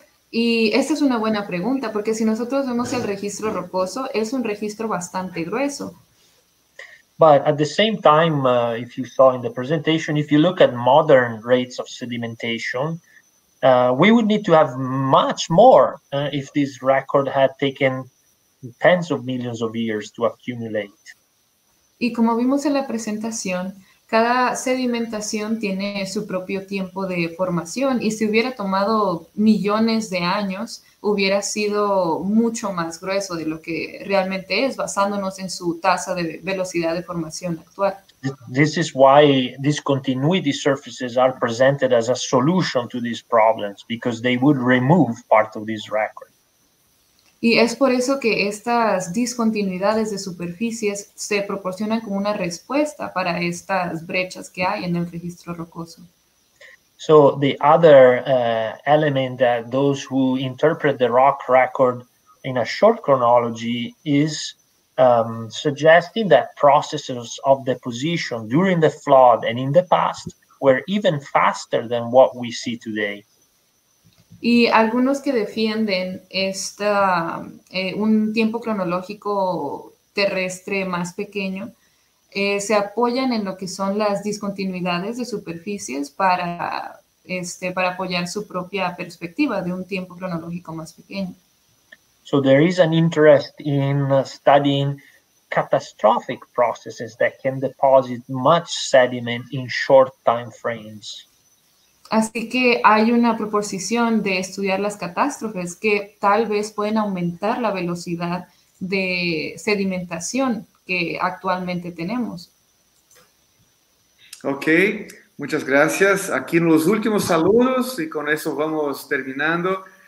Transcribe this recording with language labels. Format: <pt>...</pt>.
<es>Y esta es una buena pregunta, porque si nosotros vemos el registro rocoso, es un registro bastante grueso.</es> <en>But at the same time, if you saw in the presentation, if you look at modern rates of sedimentation, we would need to have much more if this record had taken tens of millions of years to accumulate.</en> <es>Y como vimos en la presentación, cada sedimentación tiene su propio tiempo de formación, y si hubiera tomado millones de años, hubiera sido mucho más grueso de lo que realmente es, basándonos en su tasa de velocidad de formación actual.</es> <en>This is why discontinuity surfaces are presented as a solution to these problems, because they would remove part of this record.</en> <es>Y es por eso que estas discontinuidades de superficies se proporcionan como una respuesta para estas brechas que hay en el registro rocoso.</es> <en>So the other element that those who interpret the rock record in a short chronology is suggesting that processes of deposition during the flood and in the past were even faster than what we see today.</en> <es>Y algunos que defienden esta un tiempo cronológico terrestre más pequeño se apoyan en lo que son las discontinuidades de superficies para apoyar su propia perspectiva de un tiempo cronológico más pequeño.</es> <en>So there is an interest in studying catastrophic processes that can deposit much sediment in short time frames.</en> <es>Así que hay una proposición de estudiar las catástrofes que tal vez pueden aumentar la velocidad de sedimentación que actualmente tenemos. Ok, muchas gracias. Aquí en los últimos saludos, y con eso vamos terminando.</es>